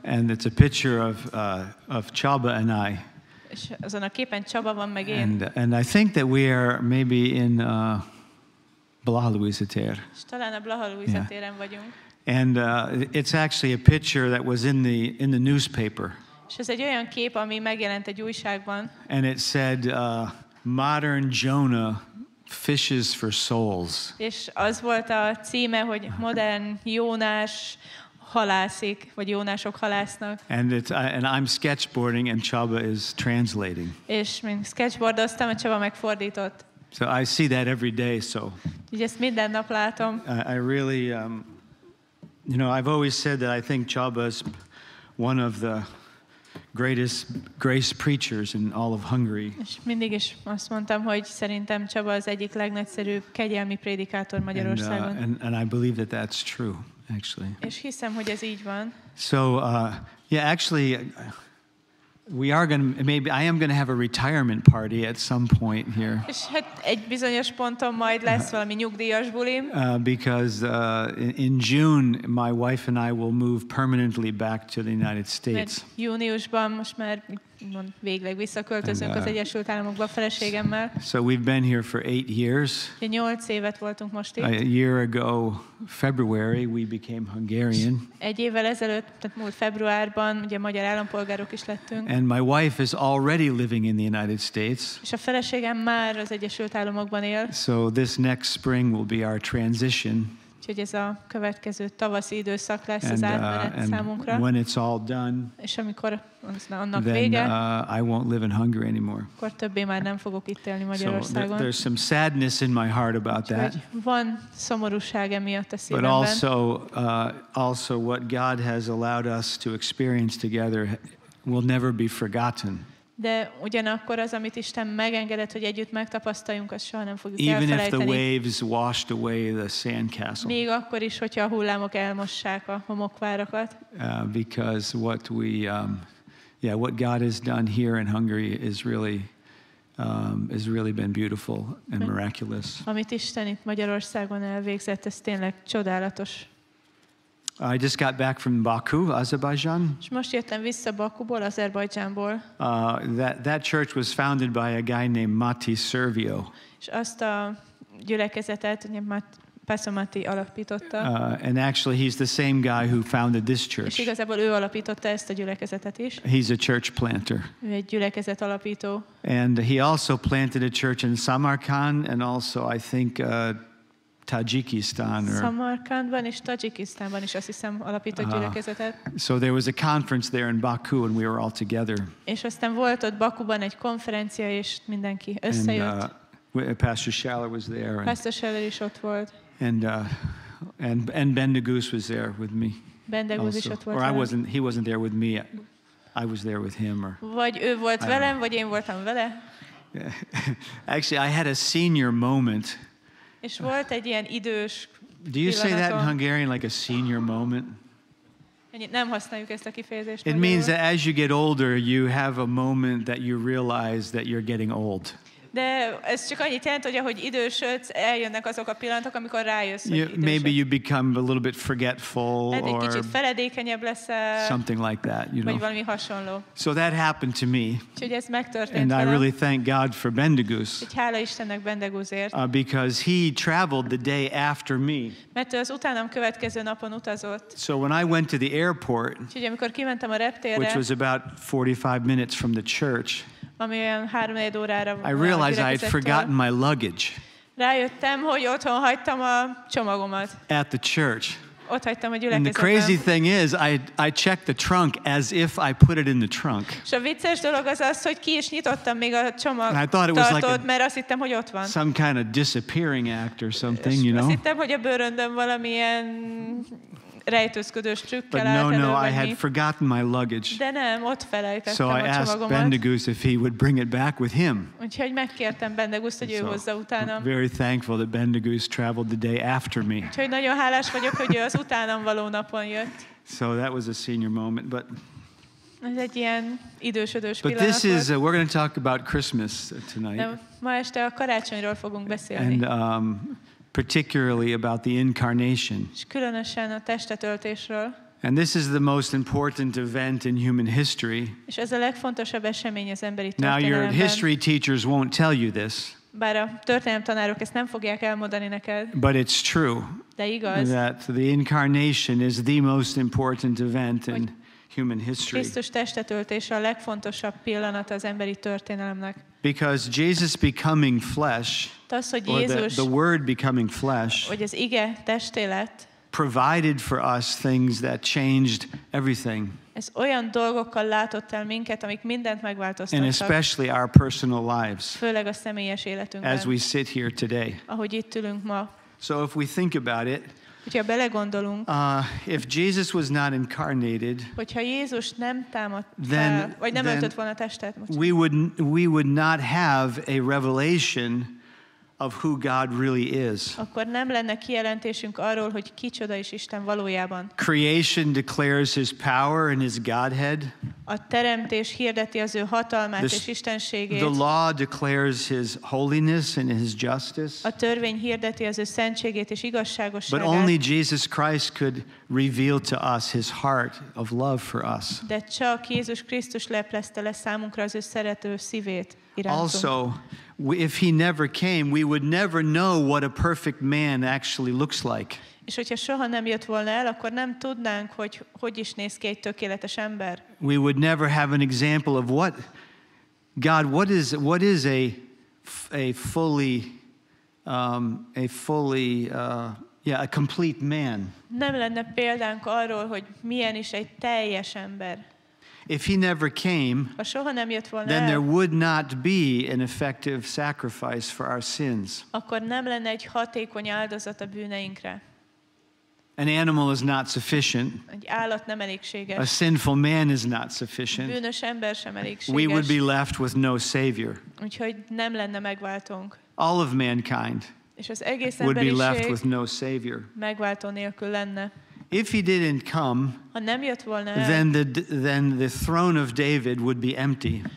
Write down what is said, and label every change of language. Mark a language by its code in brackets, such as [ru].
[en] and it's a picture of Csaba and I. [hu] És azon a képen Csaba van meg én. [en] And I think that we are maybe in Blaha Lujza tér. [hu] És talán a Blaha Lujza téren vagyunk. [en] And it's actually a picture that was in the newspaper. [hu] És ez egy olyan kép, ami megjelent egy újságban. [en] And it said modern Jonah fishes for souls. [hu] És az volt a címe, hogy modern Jónás halászik, vagy Jónások halásznak. [en] And I'm sketchboarding and Csaba is translating. [hu] És mint sketchboardoztam, a Csaba megfordított. [en] So I see that every day, so. [hu] Így ezt minden nap látom. [en] I really you know, I've always said that I think Csaba is one of the greatest grace preachers in all of Hungary. [hu] És mindig is azt mondtam, hogy szerintem Csaba az egyik legnagyszerűbb kegyelmi prédikátor Magyarországon. [en] And I believe that that's true, actually. [hu] És hiszem, hogy ez így van. [en] So, actually, we are I am going to have a retirement party at some point here. [hu] És hát egy bizonyos ponton majd lesz valami nyugdíjas bulim. [en] Because in June my wife and I will move permanently back to the United States. [hu] Mert júniusban most már végleg visszaköltözünk az Egyesült Államokba feleségemmel. [en] So we've been here for 8 years. [hu] 8 évet voltunk most itt. [en] A year ago, February, we became Hungarian. [hu] Egy évvel ezelőtt, tehát múlt februárban, ugye magyar állampolgárok is lettünk. [en] And my wife is already living in the United States. [hu] És a feleségem már az Egyesült Államokban él. [en] So this next spring will be our transition. [hu] Úgyhogy ez a következő tavaszi időszak lesz az átmenet számunkra. [en] When it's all done, [hu] és amikor annak [en] then, [hu] vége, [en] I won't live in Hungary anymore. [hu] Akkor többé már nem fogok itt élni Magyarországon. [en] So there's some sadness in my heart about that. [hu] Van szomorúság emiatt a szívemben. [en] But also, also what God has allowed us to experience together will never be forgotten. [hu] De ugyanakkor az, amit Isten megengedett, hogy együtt megtapasztaljunk, azt soha nem fogjuk [en] even [hu] elfelejteni. [en] If the waves washed away the sandcastle. [hu] Még akkor is, hogyha a hullámok elmossák a homokvárakat. [en] Because what we what God has done here in Hungary is really been beautiful and miraculous. [hu] Amit Isten itt Magyarországon elvégzett, ez tényleg csodálatos. [en] I just got back from Baku, Azerbaijan. [hu] És most jöttem vissza Bakuból, Azerbajdzsánból. [en] That church was founded by a guy named Mati Servio. [hu] És azt a gyülekezetet, ugye Pastor Mati alapította. [en] And actually he's the same guy who founded this church. [hu] És igazából ő alapította ezt a gyülekezetet is. [en] He's a church planter. [hu] Ő egy gyülekezet alapító. [en] And he also planted a church in Samarkand and also I think Tajikistan or [hu] Samarkandban és Tajikistánban is azt hiszem alapított gyülekezetet. [en] So there was a conference there in Baku and we were all together. [hu] És aztán volt ott Bakuban egy konferencia és mindenki összejött. [en] And Pastor Schaller was there. [hu] Pastor Schaller is ott volt. [en] And Bendegúz was there with me. [hu] Bendegúz is ott volt. [en] Or he wasn't there with me. I was there with him. [hu] Vagy ő volt velem, vagy én voltam vele. [en] Actually, I had a senior moment. [hu] És volt egy ilyen idős pillanatom. [en] Do you say that in Hungarian, like a senior moment? [hu] Nem használjuk ezt a kifejezést. [en] It means that as you get older, you have a moment that you realize that you're getting old. [hu] De ez csak annyit jelent, hogy ahogy idősödsz, eljönnek azok a pillanatok, amikor rájössz, hogy idősödsz. [en] Maybe you become a little bit forgetful or [hu] kicsit feledékenyebb leszel. [en] Something like that, you know. [hu] Vagy valami hasonló. [en] So that happened to me. [hu] Úgyhogy ez megtörtént velem. [en] And I really thank God for Bendegúz. [hu] Hála Istennek Bendegúzért. [en] Because he traveled the day after me. [hu] Mert az utánam következő napon utazott. [en] So when I went to the airport, [hu] úgyhogy amikor kimentem a reptérre, [en] which was about 45 minutes from the church, [hu] ami olyan 3-4 órára. [en] I realized I had forgotten my luggage. [hu] Rájöttem, hogy otthon hagytam a csomagomat. [en] At the church. [hu] Ott hagytam a gyülekezetben. [en] And the crazy thing is, I checked the trunk as if I put it in the trunk. [hu] És a vicces dolog az, hogy ki is nyitottam még a csomagtartót, mert azt hittem, hogy ott van. [en] Some kind of disappearing act or something, you know? [hu] Azt hittem, hogy a bőröndöm valamilyen rejtőzködős trükkel [en] But no, no, I had forgotten my luggage. [hu] De nem, ott felejtettem [en] so [hu] a csomagomat. [en] So I asked Bendegúz if he would bring it back with him. [hu] Úgyhogy megkértem Bendegúzt, hogy ő hozza utánam. [en] Very thankful that Bendegúz traveled the day after me. [hu] Úgyhogy nagyon hálás vagyok, hogy ő az utánam való napon jött. [en] So that was a senior moment, but [hu] Ez egy ilyen idősödős pillanat. [en] But this is we're going to talk about Christmas tonight. [hu] Ma este a karácsonyról fogunk beszélni. [en] And particularly about the incarnation. [hu] És különösen a testetöltésről. [en] And this is the most important event in human history. [hu] És ez a legfontosabb esemény az emberi történelemben. [en] Now your history teachers won't tell you this. [hu] Bár a történelem tanárok ezt nem fogják elmondani neked. [en] But it's true. [hu] De igaz. [en] That the incarnation is the most important event in human history. [hu] Krisztus testetöltése a legfontosabb pillanat az emberi történelemnek. [en] Because Jesus becoming flesh, tasz, or the word becoming flesh, [hu] hogy az ige testé lett, [en] provided for us things that changed everything. [hu] Ez olyan dolgokkal látott el minket, amik mindent megváltoztattak. [en] And especially our personal lives. [hu] Főleg a személyes életünkben. [en] As we sit here today. [hu] Ahogy itt ülünk ma. [en] So if we think about it, [hu] hogyha belegondolunk, [en] if Jesus was not incarnated, [hu] hogyha Jézus nem támadt fel, vagy nem öltött volna testet, [en] we would not have a revelation of who God really is. [hu] Akkor nem lenne kijelentésünk arról, hogy kicsoda is Isten valójában. [en] Creation declares his power and his Godhead. [hu] A teremtés hirdeti az ő hatalmát és istenségét. [en] The law declares his holiness and his justice. [hu] A törvény hirdeti az ő szentségét és igazságosságát. [en] But only Jesus Christ could reveal to us his heart of love for us. [hu] De csak Jézus Krisztus leplezte le számunkra az ő szerető szívét. [en] Also, if he never came, we would never know what a perfect man actually looks like. [hu] És hogyha soha nem jött volna el, akkor nem tudnánk, hogy hogy is néz ki egy tökéletes ember. [en] We would never have an example of what God, what is a complete man. [hu] Nem lenne példánk arról, hogy milyen is egy teljes ember. [en] If he never came, then there would not be an effective sacrifice for our sins. [hu] Akkor nem lenne egy hatékony áldozat a bűneinkre. [en] An animal is not sufficient. [hu] Egy állat nem elégséges. [en] A sinful man is not sufficient. [hu] Bűnös ember sem elégséges. [en] We would be left with no savior. [hu] Úgyhogy nem lenne megváltónk. [en] All of mankind would be left with no savior. [hu] Megváltó nélkül lenne. [en] If he didn't come, [hu] ha nem jött volna, [en] then the throne of David would be empty.